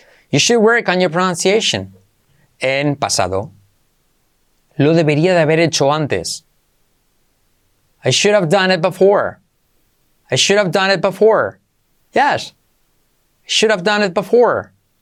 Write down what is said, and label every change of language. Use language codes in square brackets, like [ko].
[en] You should work on your pronunciation. [es] En pasado. Lo debería de haber hecho antes. [en] I should have done it before. I should have done it before. Yes. I should have done it before.